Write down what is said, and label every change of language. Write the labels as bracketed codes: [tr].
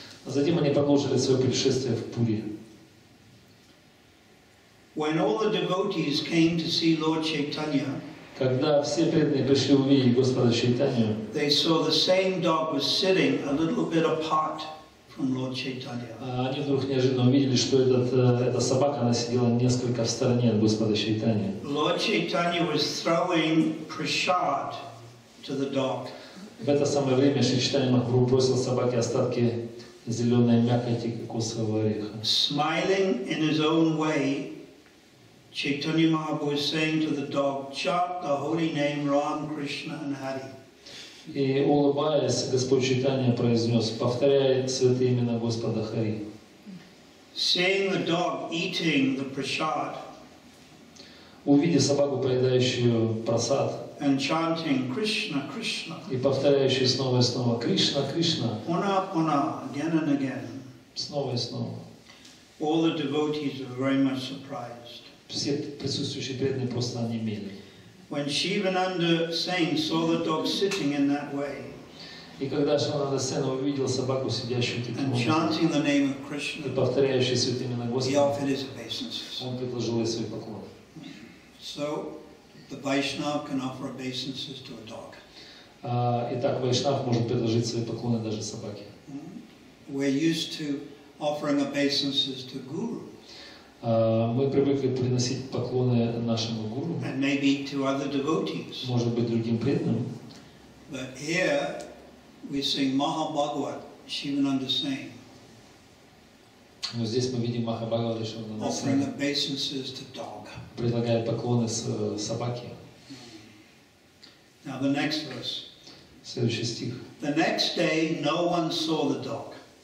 [ru] Затем они продолжили свое путешествие в Пури. [en] When all the devotees came to see Lord Chaitanya, [ru] когда все преданные пришли увидеть Господа Чайтанью, [en] they saw the same dog was sitting a little bit apart from Lord Chaitanya. [ru] Они вдруг неожиданно увидели, что эта собака, она сидела несколько в стороне от Господа Чайтани. [en] Lord Chaitanya was throwing prasad to the dog. [ru] В это самое время Шри Чайтанья Махапрабху бросил собаке остатки зеленой мякоти кокосового ореха. [en] Smiling in his own way, Chaitanya Mahaprabhu was saying to the dog, chant the holy name Ram, Krishna and Hari. [ru] И улыбаясь, Господь Чайтанья произнес, повторяя святые имена Господа Хари. [en] Seeing the dog eating the prasad, [ru] увидев собаку, поедающую прасад, [en] and chanting Krishna, Krishna, [ru] и повторяющую снова и снова Кришна, Кришна, [en] Puna, Puna, again and again, [ru] снова и снова, [en] all the devotees were very much surprised. [ru] Все присутствующие преданные просто онемели. [en] When Shivananda Sen saw the dog sitting in that way, [ru] и когда Шивананда Сен увидел собаку сидящую таким образом, [en] and chanting the name of Krishna, [ru] и повторяющую святые имена Господа, [en] he offered his obeisances. [ru] Он предложил ей свой поклон. [en] So the Vaishnav can offer obeisances to a dog. [ru] Итак, Вайшнав может предложить свои поклоны даже собаке. [en] We're used to offering obeisances to Guru. [ru] Мы привыкли приносить поклоны нашему гуру, [en] and maybe to other devotees. [ru] Может быть, другим преданным. [en] But here we sing Mahabhagavat Shivananda Sen. [ru] Но здесь мы видим Махабхагавата Шивананда [en] Сен. Offering obeisances to dog. [ru] Предлагает поклоны собаке. [en] Now the next verse. [ru] Следующий стих. [en] The next day, no one saw the dog.